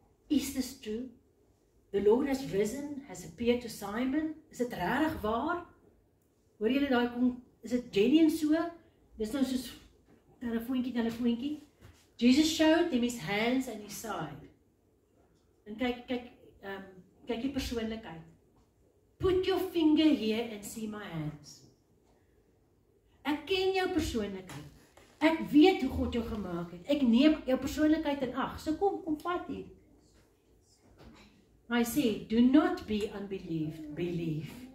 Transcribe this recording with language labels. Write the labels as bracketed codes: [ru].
[en] Is this true? The Lord has risen, has appeared to Simon. [af] Is dit regtig waar? Hoor julle daai kom, is dit genuine so? Dis nou soos telefoontjie, telefoontjie. [en] Jesus showed them his hands and his side. [af] En kyk die persoonlikheid. [en] Put your finger here and see my hands. [af] Ek ken jou persoonlikheid. Ek weet hoe God jou gemaak het. Ek neem jou persoonlikheid in ag. So kom vat hier. [en] I sê, do not be unbelieved. Believe.